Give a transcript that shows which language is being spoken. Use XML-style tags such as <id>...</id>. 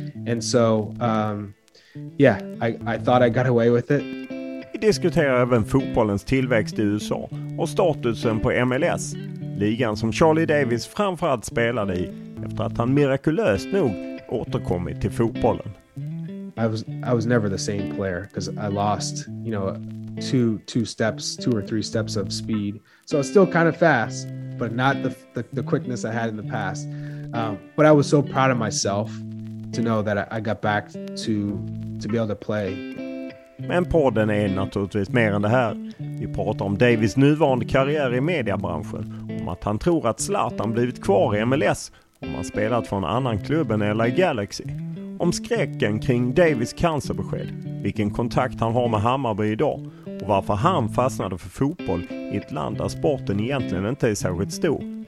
<en>And so, I thought I got away with it.</en> <sv>Vi diskuterar även fotbollens tillväxt i USA och statusen på MLS. Ligan som Charlie Davies framförallt spelade i efter att han mirakulöst nog återkommit till fotbollen.</sv> <en>I was never the same player because I lost, you know, two or three steps of speed. So I was still kind of fast, but not the quickness I had in the past. But I was so proud of myself to know that I got back to be able to play.</en> <sv>Men podden är naturligtvis mer än det här. Vi pratar om Davies nuvarande karriär i mediebranschen, om att han tror att Zlatan blivit kvar i MLS om han spelat för en annan klubb än LA Galaxy. Om skräcken kring Davies cancerbesked, vilken kontakt han har med Hammarby idag och varför han fastnade för fotboll i ett land där sporten egentligen inte är särskilt stor.</sv>